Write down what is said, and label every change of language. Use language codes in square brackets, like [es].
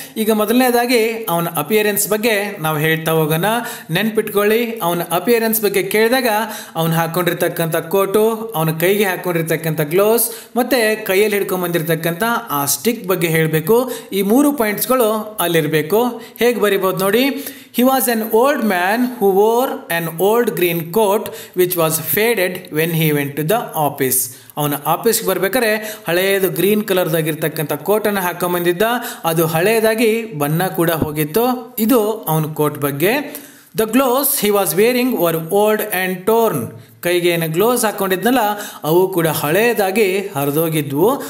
[kn] ಈಗ ಮೊದಲನೇದಾಗಿ ಅವನ ಅಪಿಯರೆನ್ಸ್ ಬಗ್ಗೆ ನಾವು ಹೇಳ್ತಾ ಹೋಗೋಣ. ನೆನ್ಪಿಟ್ಕೊಳ್ಳಿ, ಅವನ ಅಪಿಯರೆನ್ಸ್ ಬಗ್ಗೆ ಕೇಳಿದಾಗ ಅವನು ಹಾಕ್ಕೊಂಡಿರ್ತಕ್ಕಂಥ ಕೋಟು, ಅವನ ಕೈಗೆ ಹಾಕ್ಕೊಂಡಿರ್ತಕ್ಕಂಥ ಗ್ಲೋವ್ಸ್, ಮತ್ತು ಕೈಯಲ್ಲಿ ಹಿಡ್ಕೊಂಡು ಬಂದಿರತಕ್ಕಂಥ ಆ ಸ್ಟಿಕ್ ಬಗ್ಗೆ ಹೇಳಬೇಕು. ಈ 3 points ಅಲ್ಲಿರಬೇಕು. ಹೇಗೆ ಬರಿಬೋದು ನೋಡಿ. [en] He was an old man who wore an old green coat which was faded when he went to the office. [kn] ಅವನ ಆಫೀಸ್ಗೆ ಬರಬೇಕಾದ್ರೆ ಹಳೆಯದು ಗ್ರೀನ್ ಕಲರ್ದಾಗಿರ್ತಕ್ಕಂಥ ಕೋಟನ್ನು ಹಾಕೊಂಬಂದಿದ್ದ, ಅದು ಹಳೆಯದಾಗಿ ಬಣ್ಣ ಕೂಡ ಹೋಗಿತ್ತು. ಇದು ಅವನ ಕೋಟ್ ಬಗ್ಗೆ. [en] The gloves he was wearing were old and torn. [kn] ಕೈಗೆ ಏನು ಗ್ಲೋವ್ಸ್ ಹಾಕ್ಕೊಂಡಿದ್ನಲ್ಲ, ಅವು ಕೂಡ ಹಳೆಯದಾಗಿ ಹರಿದೋಗಿದ್ವು.